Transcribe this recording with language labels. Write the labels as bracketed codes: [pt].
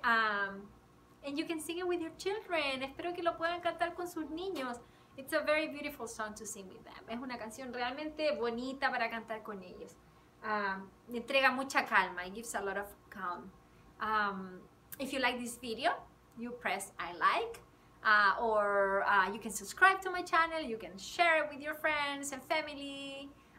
[en] And you can sing it with your children. [es] Espero que lo puedan cantar con sus niños. [en] It's a very beautiful song to sing with them. [es] Es una canción realmente bonita para cantar con ellos. Entrega mucha calma. [en] It gives a lot of calm. If you like this video, you press I like. Or you can subscribe to my channel. You can share it with your friends and family.